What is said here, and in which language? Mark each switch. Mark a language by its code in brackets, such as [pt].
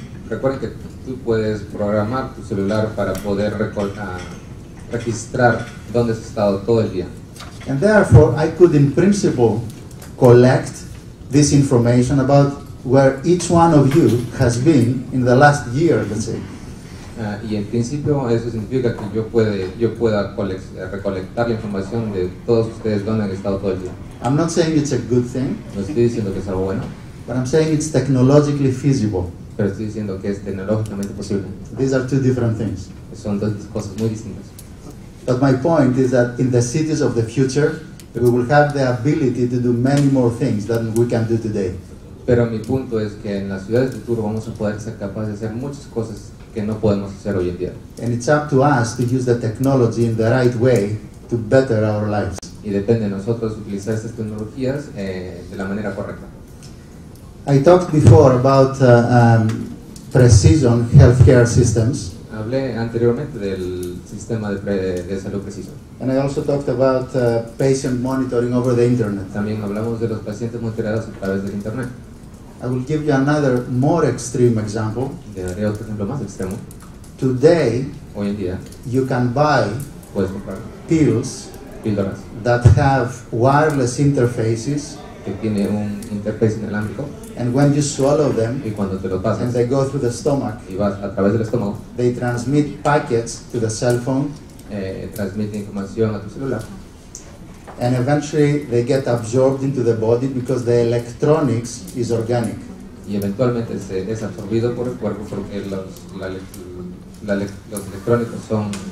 [es] Recuerden que tú puedes programar tu celular para poder registrar dónde has estado todo el día. [en] And therefore, I could in principle collect this information about where each one of you has been in the last year, let's say. [es] Y en principio eso significa que yo pueda recolectar la información de todos ustedes dónde han estado todo el día. [en] I'm not saying it's a good thing. [es] No estoy diciendo que es algo bueno. [en] But I'm saying it's technologically feasible. [es] Pero estoy diciendo que es tecnológicamente posible. [en] These are two different things. [es] Son dos cosas muy distintas. [en] But my point is that in the cities of the future, we will have the ability to do many more things than we can do today. [es] Pero mi punto es que en las ciudades del futuro vamos a poder ser capaces de hacer muchas cosas que no podemos hacer hoy en día. [en] And it's up to us to use the technology in the right way to better our lives. [es] Y depende de nosotros utilizar estas tecnologías de la manera correcta. [en] I talked before about precision healthcare systems. [es] Hablé anteriormente del sistema de salud preciso. [en] And I also talked about patient monitoring over the internet. [es] También hablamos de los pacientes monitoreados a través del internet. [en] I will give you another more extreme example. [es] Le daré otro ejemplo más extremo. [en] Today, [es] hoy en día, [en] you can buy pills that have wireless interfaces. [es] Que tiene un interface inalámbrico. [en] And when you swallow them, [es] y cuando te lo pasas, [en] and they go through the stomach, [es] y vas a través del estómago, [en] they transmit packets to the cell phone. [es] Transmite información a tu celular. [en] And eventually they get absorbed into the body because the electronics is organic. [es] Y eventualmente se es absorbido por el cuerpo porque los electrónicos son